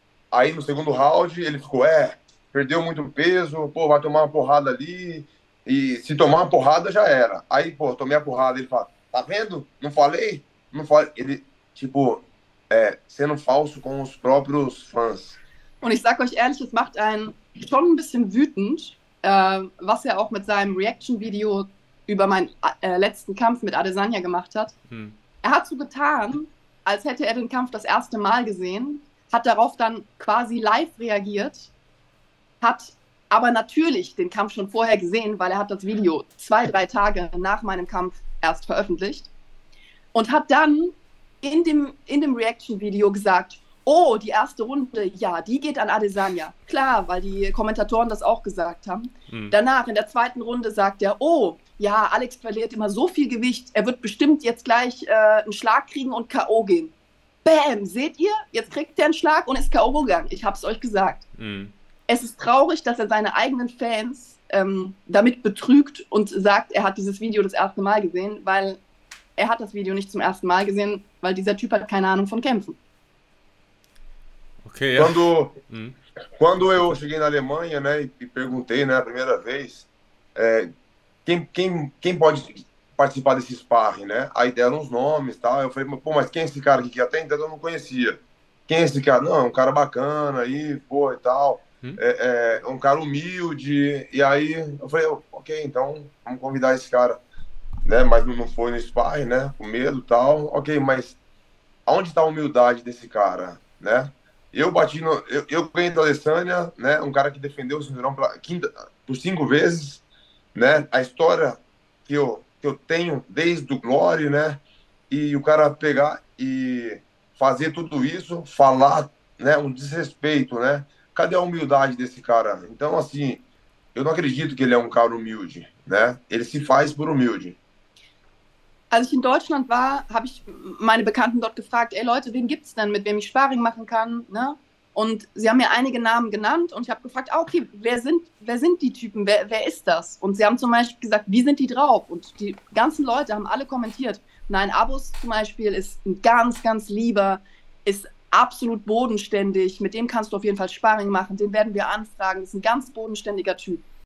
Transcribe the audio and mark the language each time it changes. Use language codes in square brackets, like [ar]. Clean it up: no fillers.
[pt] Aí no segundo round, ele ficou, perdeu muito peso, pô, vai tomar uma porrada ali, e se tomar uma porrada já era. Aí, pô, tomei a porrada, ele fala, tá vendo? Não falei? Não falei. Ele, tipo, sendo falso com os próprios fãs. [de] Und ich sage euch ehrlich, es macht einen schon ein bisschen wütend, was er auch mit seinem Reaction-Video über meinen letzten Kampf mit Adesanya gemacht hat. Er hat so getan, als hätte er den Kampf das erste Mal gesehen, hat darauf dann quasi live reagiert, hat aber natürlich den Kampf schon vorher gesehen, weil er hat das Video 2, 3 Tage nach meinem Kampf erst veröffentlicht und hat dann in dem Reaction-Video gesagt: Oh, die erste Runde, ja, die geht an Adesanya. Klar, weil die Kommentatoren das auch gesagt haben. Danach, in der zweiten Runde, sagt er: Oh, ja, Alex verliert immer so viel Gewicht. Er wird bestimmt jetzt gleich einen Schlag kriegen und K.O. gehen. Bäm, seht ihr? Jetzt kriegt er einen Schlag und ist K.O. gegangen. Ich hab's euch gesagt. Es ist traurig, dass er seine eigenen Fans damit betrügt und sagt, er hat dieses Video das erste Mal gesehen, weil er hat das Video nicht zum ersten Mal gesehen, weil dieser Typ hat keine Ahnung von Kämpfen. Okay, ja. [pt] Quando eu cheguei na Alemanha, né, e perguntei, né, a primeira vez, quem pode participar desse sparring, né? Aí deram os nomes, tal. Eu falei, pô, mas quem é esse cara aqui que até então eu não conhecia? Quem é esse cara? Não, é um cara bacana aí, pô, e tal. É um cara humilde. E aí eu falei, ok, então vamos convidar esse cara, né? Mas não foi no sparring, né? Com medo, tal. Ok, mas aonde está a humildade desse cara, né? Eu bati no. Eu ganhei do Adesanya, né? Um cara que defendeu o cinturão por 5 vezes, né? A história que eu tenho desde o Glory, né? E o cara pegar e fazer tudo isso, falar, né? Um desrespeito, né? Cadê a humildade desse cara? Então, assim, eu não acredito que ele é um cara humilde, né? Ele se faz por humilde. [de] Als ich in Deutschland war, habe ich meine Bekannten dort gefragt: Ey Leute, wen gibt es denn, mit wem ich Sparring machen kann? Ne? Und sie haben mir einige Namen genannt und ich habe gefragt: ah, okay, wer sind die Typen? Wer ist das? Und sie haben zum Beispiel gesagt: Wie sind die drauf? Und die ganzen Leute haben alle kommentiert: Nein, Abus zum Beispiel ist ein ganz, ganz lieber, ist absolut bodenständig, mit dem kannst du auf jeden Fall Sparring machen, den werden wir anfragen, ist ein ganz bodenständiger Typ.